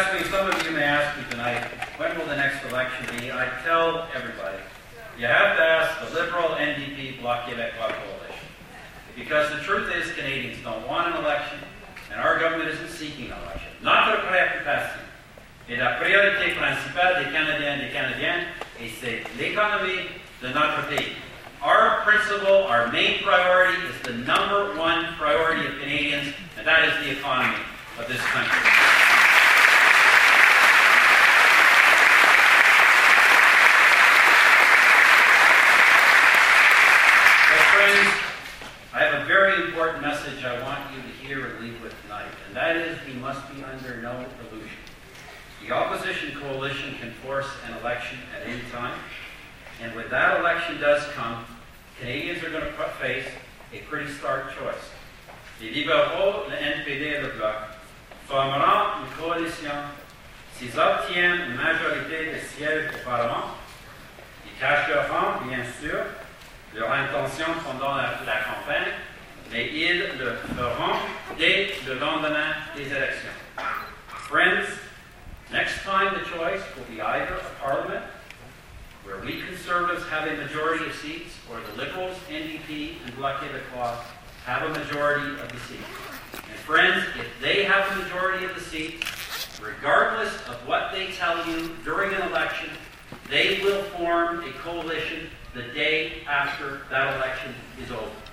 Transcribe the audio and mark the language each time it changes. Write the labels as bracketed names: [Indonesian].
[English] Some of you may ask me tonight, when will the next election be? I tell everybody, you have to ask the Liberal NDP Bloc Québécois Coalition. Because the truth is, Canadians don't want an election, and our government isn't seeking an election. [French] Notre préoccupation est la priorité principale des Canadiens et des Canadiennes, et c'est l'économie de notre pays. [English] Our principle, our main priority, is the number one priority of Canadians, and that is the economy of this country. I have a very important message I want you to hear and leave with tonight, and that is we must be under no illusion. The opposition coalition can force an election at any time, and when that election does come, Canadians are going to face a pretty stark choice. [French] Les libéraux, le NPD et le Bloc formeront une coalition s'ils obtiennent une majorité de sièges au Parlement. Ils cacheront, bien sûr, leur intention pendant la campagne, mais ils le feront dès le lendemain des élections. [English] Friends, next time the choice will be either a parliament, where we conservatives have a majority of seats, or the Liberals, NDP, and Bloc Québécois have a majority of the seats. And friends, if they have a majority of the seats, regardless of what they tell you during an election, they will form a coalition the day after that election is over.